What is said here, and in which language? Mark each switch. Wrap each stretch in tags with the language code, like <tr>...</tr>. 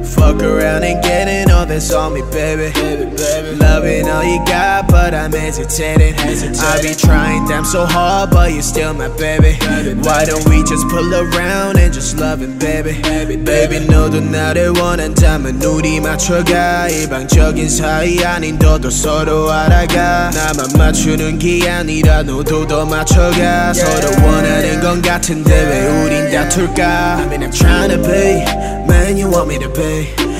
<en>Fuck around and getting all this on me, baby. Loving all you got, but I'm hesitating. I be trying damn so hard, but you're still my baby. Why don't we just pull around and just love it, baby?</en> <ko>Baby, 너도 나를 원한다면 우리 맞춰가. 일방적인 사이 아닌 너도 서로 알아가. 나만 맞추는 게 아니라 너도 더 맞춰가. 서로 원하는 건 같은데 왜 우린 다툴까?</ko> <en>I mean I'm trying to be, man, you want me to be.</en>